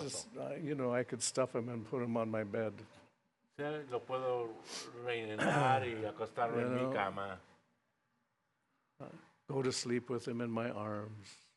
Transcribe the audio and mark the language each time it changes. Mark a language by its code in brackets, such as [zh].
[en] Just, I could stuff him and put him on my bed. [es] Lo puedo rellenar y acostarlo en mi cama. [en] Go to sleep with him in my arms.